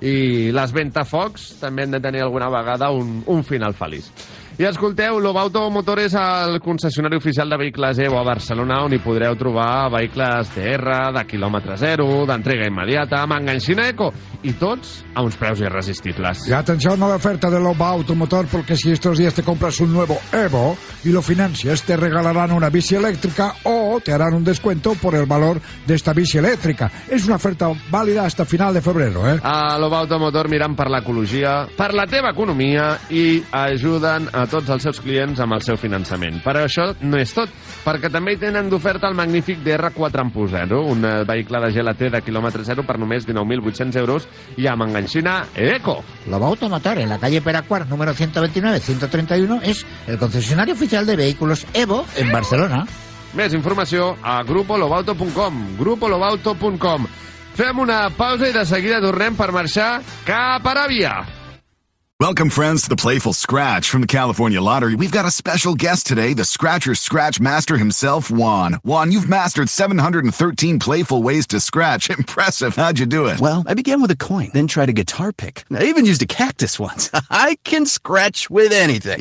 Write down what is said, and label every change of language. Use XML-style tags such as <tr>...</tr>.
<ca>I les Ventafocs també han de tenir alguna vegada un final feliç. I escolteu, Lobauto Motor és el concessionari oficial de vehicles EVO a Barcelona, on hi podreu trobar vehicles TR, de quilòmetre zero, d'entrega immediata, amb enganxina eco, i tots a uns preus irresistibles. I atenció a la oferta de Lobauto Motor, perquè si</ca> <es>estos días te compras un nuevo EVO y lo financias, te regalarán una bici eléctrica o te harán un descuento por el valor de esta bici eléctrica.</es> <ca>És una oferta vàlida</ca> <es>hasta final de febrero,</es> <ca>eh? A Lobauto Motor miran per l'ecologia, per la teva economia i ajuden a tots els seus clients amb el seu finançament. Però això no és tot, perquè també hi tenen d'oferta el magnífic DR4+0, un vehicle de GLT de quilòmetre zero per només 19.800 euros i amb enganxina ECO. Lobauto Motor,</ca> <es>en la calle</es> <ca>Peracuart, número 129-131, és el concessionari oficial de vehicles EVO en Barcelona. Més informació a grupolobauto.com. Fem una pausa i de seguida tornem per marxar cap a Aràbia.</ca> <en>Welcome, friends, to the Playful Scratch from the California Lottery. We've got a special guest today, the Scratcher Scratch Master himself, Juan. Juan, you've mastered 713 playful ways to scratch. Impressive. How'd you do it? Well, I began with a coin, then tried a guitar pick. I even used a cactus once. I can scratch with anything.</en>